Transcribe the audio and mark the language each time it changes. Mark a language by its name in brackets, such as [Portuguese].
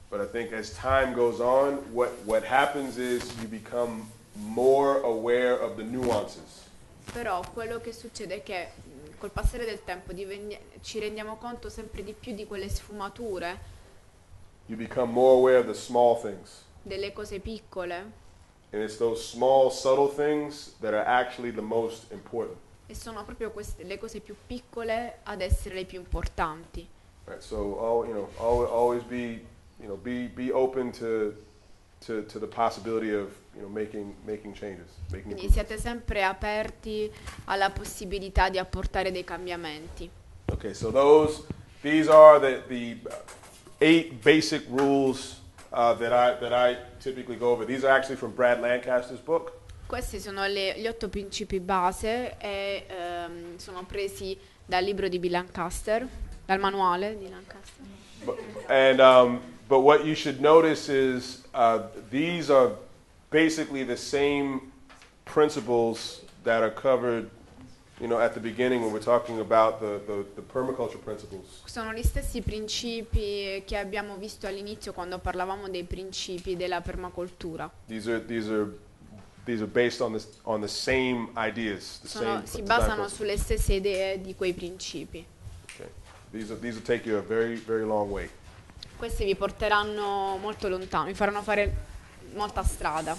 [English] But I think as time goes on, what happens is you become more aware of the nuances. [Italian] Però quello che succede è che col passare del tempo ci rendiamo conto sempre di più di quelle sfumature. [English] You become more aware of the small things. [Italian] Delle cose piccole. [English] And it's those small, subtle things that are actually the most important. [Italian] E sono proprio queste le cose più piccole ad essere le più importanti. [English] Right. So, always be, you know, be open to the possibility of, you know, making changes, making improvements. [Italian] Siate sempre aperti alla possibilità di apportare dei cambiamenti. [English] Okay. So these are the 8 basic rules. That I typically go over. These are actually from Brad Lancaster's book. [Italian] Questi sono gli 8 principi base e sono presi dal libro di Bill Lancaster. dal manuale di Lancaster. [English] But what you should notice is these are basically the same principles that are covered, you know, at the beginning when we're talking about the permaculture principles. [Italian] Sono gli stessi principi che abbiamo visto all'inizio quando parlavamo dei principi della permacultura. [English] These are based on the same ideas. [Italian] Si basano sulle stesse idee di quei principi. [English] Okay. These will take you a very very long way. [Italian] Questi vi porteranno molto lontano, vi faranno fare molta strada.